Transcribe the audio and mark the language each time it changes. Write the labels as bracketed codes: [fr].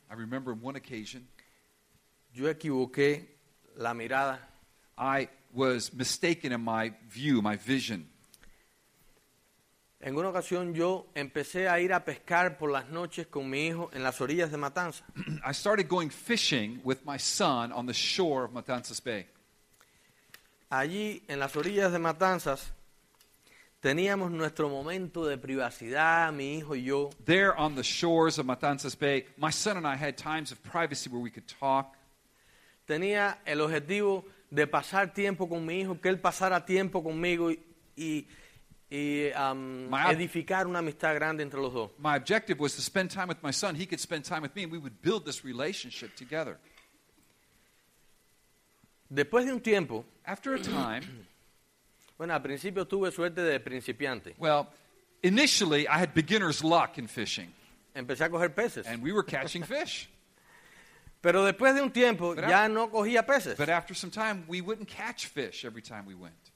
[en] I remember one occasion. [es] Yo equivoqué la mirada. [en] I was mistaken in my view, my vision. [es] En una ocasión yo empecé a ir a pescar por las noches con mi hijo en las orillas de Matanzas. [en] I started going fishing with my son on the shore of Matanzas Bay. [es] Allí en las orillas de Matanzas teníamos nuestro momento de privacidad, mi hijo y yo. [en] There on the shores of Matanzas Bay, my son and I had times of privacy where we could talk. [es] Tenía el objetivo de pasar tiempo con mi hijo, que él pasara tiempo conmigo y edificar una amistad grande entre los dos. [en] My objective was to spend time with my son. He could spend time with me, and we would build this relationship together. [es] Después de un tiempo, [en] after a time, [es] bueno, al principio tuve suerte de principiante. [en] Well, initially I had beginner's luck in fishing. [es] Empecé a coger peces. [en] And we were catching fish. [es] Pero después de un tiempo ya no cogía peces. [en] But after some time, we wouldn't catch fish every time we went.